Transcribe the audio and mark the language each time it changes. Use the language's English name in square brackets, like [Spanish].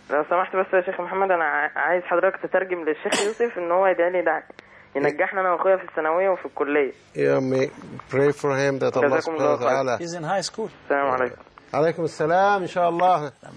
[Arabic] لو سمحت بس يا شيخ محمد، انا عايز حضرتك تترجم للشيخ يوسف ان هو يدعي لي ينجحنا انا واخويا في الثانويه وفي الكليه. يا امي [English] pray for him that Allah [Arabic] سبحانه وتعالى. [English] He's in high school. [Arabic] السلام عليكم. عليكم السلام ان شاء الله.